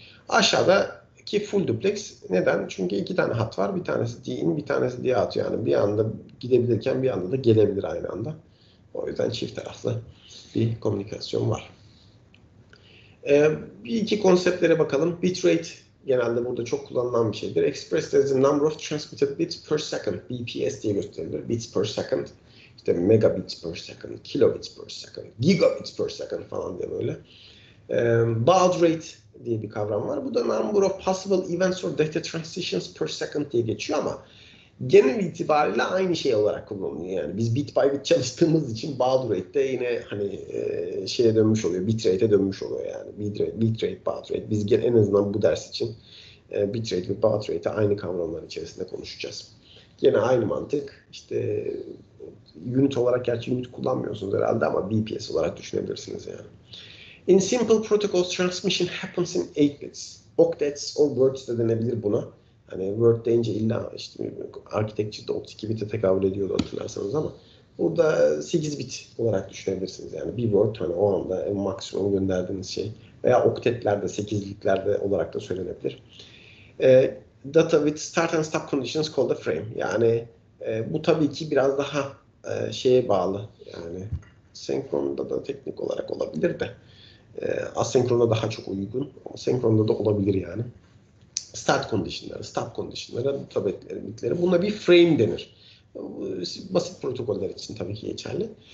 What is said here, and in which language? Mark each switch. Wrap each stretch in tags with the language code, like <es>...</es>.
<tr>Aşağıdaki full duplex neden? Çünkü iki tane hat var. Bir tanesi D'in, bir tanesi D'ye atıyor. Yani bir anda gidebilirken bir anda da gelebilir aynı anda. O yüzden çift taraflı bir komünikasyon var. Bir iki konseptlere bakalım. Bitrate genelde burada çok kullanılan bir şeydir.</tr> <en>Express is the number of transmitted bits per second.</en> <tr>BPS diye gösterilir.</tr> <en>Bits per second.</en> <tr>İşte</tr> <en>megabits per second, kilobits per second, gigabits per second</en> <tr>falan diye böyle. Baud rate diye bir kavram var. Bu da</tr> <en>number of possible events or data transitions per second</en> <tr>diye geçiyor ama genel itibariyle aynı şey olarak kullanılıyor. Yani biz bit by bit çalıştığımız için baud rate de yine hani şeye dönmüş oluyor, bit rate'e dönmüş oluyor yani. Bit rate, baud rate. Biz en azından bu ders için bit rate ve baud rate'i aynı kavramlar içerisinde konuşacağız. Yine aynı mantık. İşte unit olarak, gerçi unit kullanmıyorsunuz herhalde ama BPS olarak düşünebilirsiniz yani.</tr> <en>In simple protocols, transmission happens in 8 bits. Octets or words</en> <tr>de denebilir buna. Hani word deyince illa işte architecture'da 32 bit'e tekabül ediyordu hatırlarsanız ama burada 8 bit olarak düşünebilirsiniz. Yani bir word, hani o anda en maksimum gönderdiğiniz şey. Veya octetlerde, 8'liklerde olarak da söylenebilir.</tr> <en>Data with start and stop conditions called a frame.</en> <tr>Yani bu tabii ki biraz daha şeye bağlı. Yani senkronda da teknik olarak olabilir de. Asenkronda daha çok uygun. Ama senkronda da olabilir yani. Start conditionları, stop conditionları, tabletleri, bitleri. Buna bir frame denir. Basit protokoller için tabii ki geçerli.</tr>